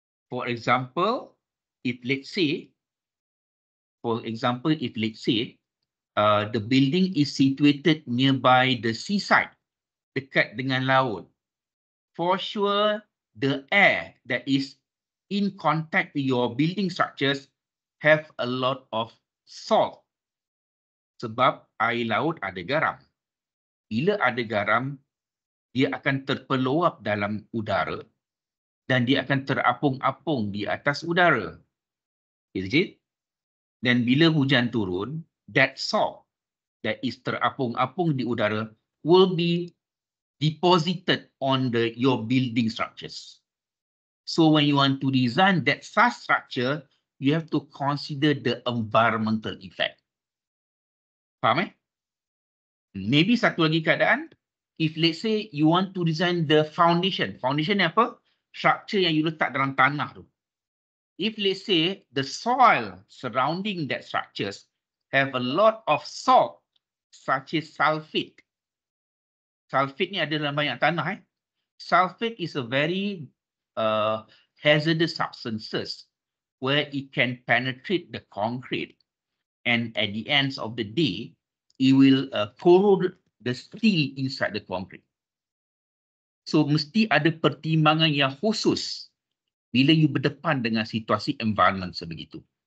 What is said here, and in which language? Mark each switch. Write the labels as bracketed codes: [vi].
[en] For example, if let's say, the building is situated nearby the seaside, [ms] dekat dengan laut. [en] For sure, the air that is in contact with your building structures have a lot of salt. [ms] Sebab air laut ada garam. Bila ada garam, dia akan terpeluap dalam udara dan dia akan terapung-apung di atas udara. [en] Is it? [ms] Dan bila hujan turun, [en] that salt that is [ms] terapung-apung di udara [en] will be deposited on the your building structures. So when you want to design that such structure, you have to consider the environmental effect. [ms] Faham eh? [en] Maybe [ms] satu lagi keadaan, [en] if let's say you want to design the foundation. Foundation [ms] ni apa? Structure yang you letak dalam tanah tu. [en] If let's say the soil surrounding that structures have a lot of salt, such as sulfate. [ms] Sulfate ni ada dalam banyak tanah. [en] Sulfate is a very hazardous substances where it can penetrate the concrete. And at the end of the day, it will corrode the steel inside the concrete. [ms] So mesti ada pertimbangan yang khusus bila you berdepan dengan situasi environment sebegitu.